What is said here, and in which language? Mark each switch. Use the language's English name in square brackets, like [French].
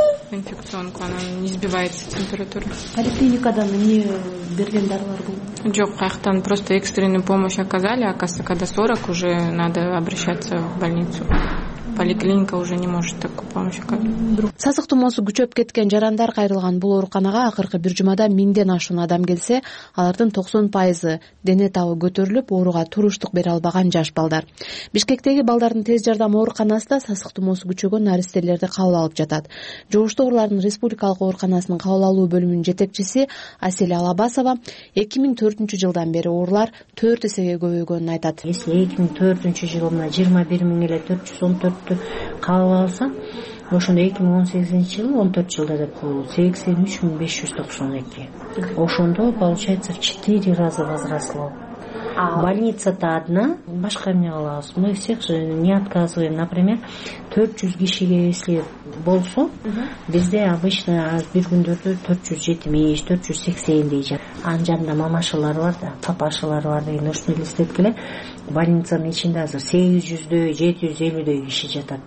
[Kyrgyz] Инфекционку, анан [Russian] не сбивается температура. [Kyrgyz] Поликлиникадан эмне берген дарылар бул? Жок, каяктан [Russian] просто экстренную помощь оказали, оказывается, когда 40 уже надо обращаться в больницу. Поликлиника уже не может такую помощь оказать. [Kyrgyz] Сасык тумоосу күчөп кеткен жарандар кайрылган бул ооруканага акыркы бир жумада 1000 ашуун адам келсе, алардын 90% дене табы көтөрүлүп, ооруга туруштук бере албаган жаш балдар. Бишкектеги балдардын тез жардам ооруканасында сасык тумоосу күчөгөн наристелерди кабыл алып жатат. Жогушту оорулардын республикалык ооруканасынын кабыл алуу бөлүмүнүн жетекчиси Асель Алабасова 2004 жылдан бери оорулар 4 эсеге көбөйгөнүн айтат. Если 2004 жылына 21 000 эле 414 кабыл алса, ошондо 2018 жылы 14 жылда деп бул 83592. [Russian] Ошондо получается в 4 раза возросло. Больница-то одна, [Kyrgyz] башка эмне кылабыз? [Russian] Мы всех же не отказываем. [Kyrgyz] Например, 400 кишиге если болсо, бизде обычно бир күндөрдө 470, 480 дейт. Анын жанында мамашалар бар да, папашалар бар деген ошону элестеткиле. Больницанын ичинде азыр 800-дөй, 750-дөй киши жатат.